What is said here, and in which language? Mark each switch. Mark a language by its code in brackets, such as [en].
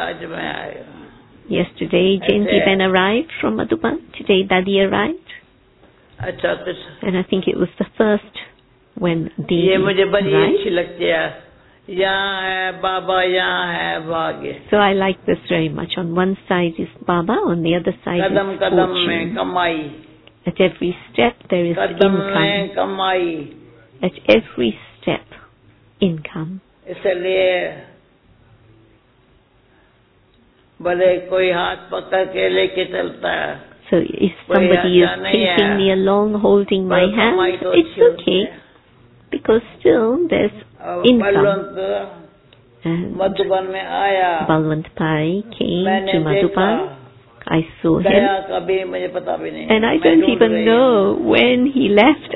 [en] Yesterday, Jainti Ben arrived from Madhuban. Today, Daddy arrived. And I think it was the first when Daddy arrived. [hi] यहाँ है बाबा, यहाँ है भाग्य. [en] So I like this very much. On one side is Baba, on the other side [hi] Kadam [en] is fortune. [hi] कदम में कमाई. [en] At every step there is [hi] Kadam [en] income. [hi] कदम में कमाई. [en] At every step, income. [hi] इसलिए भले कोई हाथ पकड़ के लेके चलता है. [en] So if somebody is taking me along, holding my hand, it's okay. Because still there's income. Balwant Pai came to Madhuban. I saw him. And I don't even know when he left.